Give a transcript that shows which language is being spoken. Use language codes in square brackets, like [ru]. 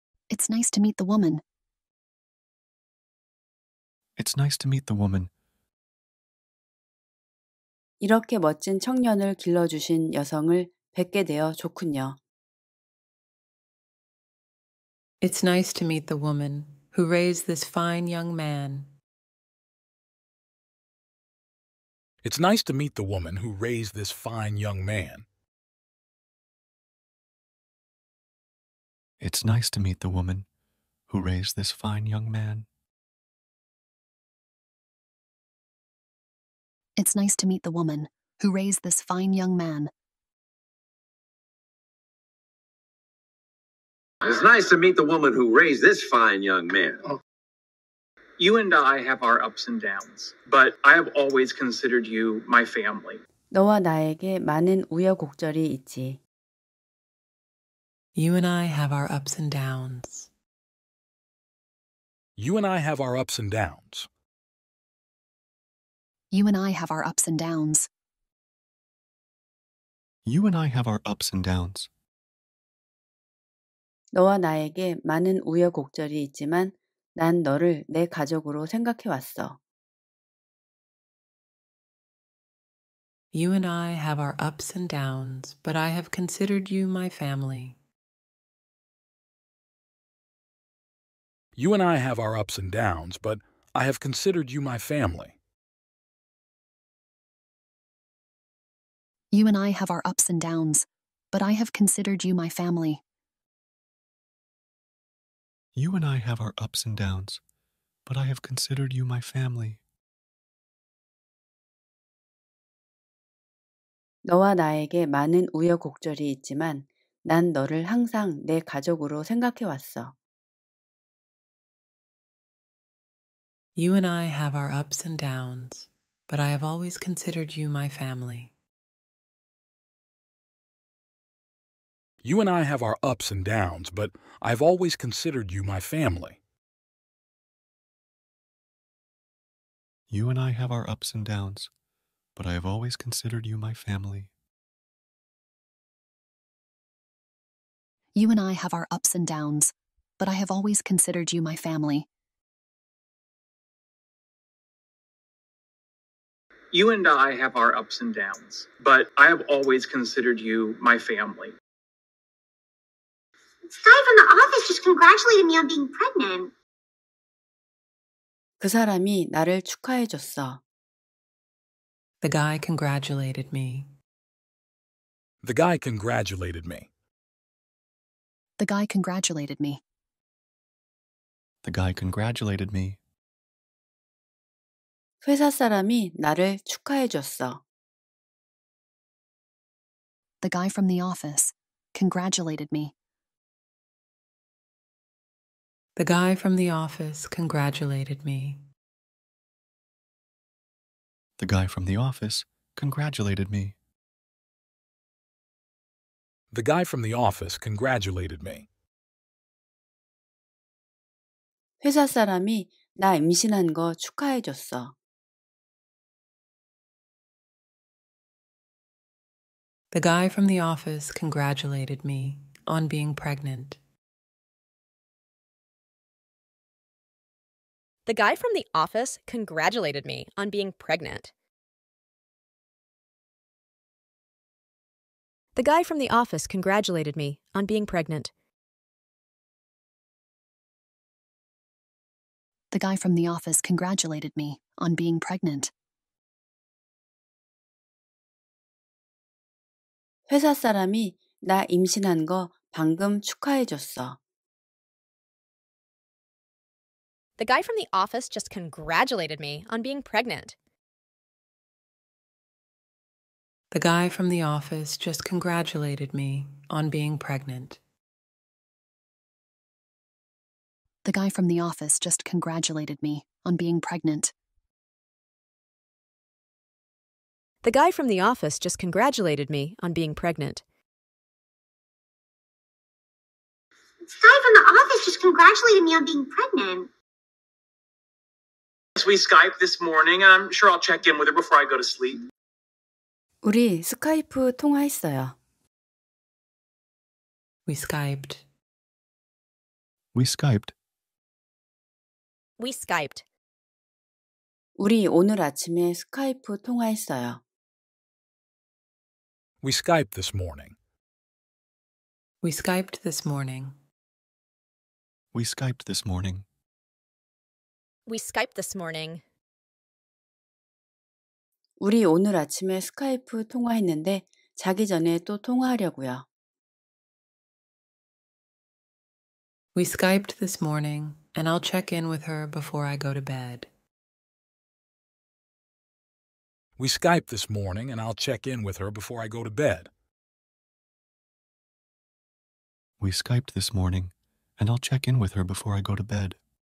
[en] It's nice to meet the woman. It's nice to meet the woman. [ko] 이렇게 멋진 청년을 길러주신 여성을 뵙게 되어 좋군요. [en] It's nice to meet the woman who raised this fine young man. It's nice to meet the woman who raised this fine young man. It's nice to meet the woman who raised this fine young man. It's nice to meet the woman who raised this fine young man. It's nice to meet the woman who raised this fine young man. You and I have our ups and downs, but I have always considered you my family. [ko] 너와 나에게 많은 우여곡절이 있지. [en] You and I have our ups and downs. You and I have our ups and downs. You and I have our ups and downs. You and I have our ups and downs. [ko] 너와 나에게 많은 우여곡절이 있지만 난 너를 내 가족으로 생각해 왔어. [en] You and I have our ups and downs, but I have considered you my family. You and I have our ups and downs, but I have considered you my family. You and I have our ups and downs, but I have considered you my family. You and I have our ups and downs, but I have considered you my family. [ko] 너와 나에게 많은 우여곡절이 있지만 난 너를 항상 내 가족으로 생각해 왔어. [en] You and I have our ups and downs, but I have always considered you my family. You and I have our ups and downs, but I've always considered you my family. You and I have our ups and downs, but I have always considered you my family. You and I have our ups and downs, but I have always considered you my family. You and I have our ups and downs, but I have always considered you my family. This guy from the office just congratulated me on being pregnant. [ko] 그 사람이 나를 축하해줬어. [en] The guy congratulated me. The guy congratulated me. The guy congratulated me. The guy congratulated me. [ko] 회사 사람이 나를 축하해줬어. [en] The guy from the office congratulated me. The guy from the office congratulated me. The guy from the office congratulated me. The guy from the office congratulated me. [ko] 회사 사람이 나 임신한 거 축하해줬어. [en] The guy from the office congratulated me on being pregnant. The guy from the office congratulated me on being pregnant. The guy from the office congratulated me on being pregnant. The guy from the office congratulated me on being pregnant. [ko] 회사 사람이 나 임신한 거 방금 축하해줬어. [en] The guy from the office just congratulated me on being pregnant. The guy from the office just congratulated me on being pregnant. The guy from the office just congratulated me on being pregnant. The guy from the office just congratulated me on being pregnant. The guy from the office just congratulated me on being pregnant. We Skype this morning. I'm sure I'll check in with her before I go to sleep. [ko] 우리 스카이프 통화했어요. [en] We Skyped. We Skyped. We Skyped. [ko] 우리 오늘 아침에 스카이프 통화했어요. [en] We Skyped this morning. We Skyped this morning. We Skyped this morning. We Skyped this morning. [ko] 우리 오늘 아침에 스카이프 통화했는데 자기 전에 또 통화하려고요. [en] We Skyped this morning, and I'll check in with her before I go to bed. We Skyped this morning, and I'll check in with her before I go to bed. We Skyped this morning, and I'll check in with her before I go to bed.